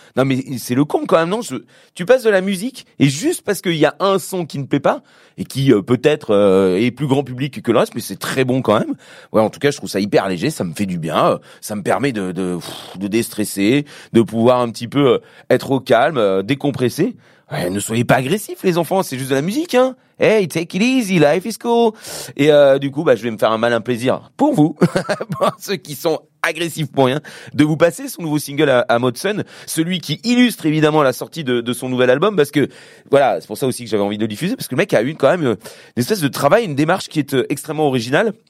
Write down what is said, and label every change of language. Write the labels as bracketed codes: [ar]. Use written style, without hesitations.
[fr] Non, mais c'est le con, quand même, non? Tu passes de la musique, et juste parce qu'il y a un son qui ne plaît pas, et qui, peut-être, est plus grand public que le reste, mais c'est très bon, quand même. Ouais, en tout cas, je trouve ça hyper léger, ça me fait du bien, ça me permet de déstresser, de pouvoir un petit peu être au calme, décompressé. Ouais, ne soyez pas agressifs, les enfants, c'est juste de la musique, hein. [en] Hey, take it easy, life is cool. [fr] Et du coup, bah, je vais me faire un malin plaisir pour vous, pour ceux qui sont agressifs pour rien, de vous passer son nouveau single à Motson, celui qui illustre évidemment la sortie de son nouvel album, parce que voilà, c'est pour ça aussi que j'avais envie de le diffuser, parce que le mec a eu quand même une espèce de travail, une démarche qui est extrêmement originale.